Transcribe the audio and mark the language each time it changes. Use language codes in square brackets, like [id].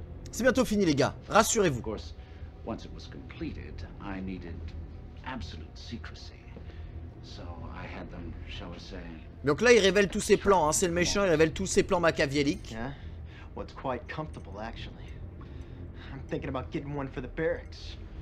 [fr] C'est bientôt fini les gars, rassurez-vous. [en] Once it was completed, I needed absolute secrecy, so I had them, shall we say. [fr] Donc là, il révèle tous ses plans. Hein. C'est le méchant. Il révèle tous ses plans machiavéliques. [en] Yeah. What's quite comfortable, actually. I'm thinking about getting one for the barracks.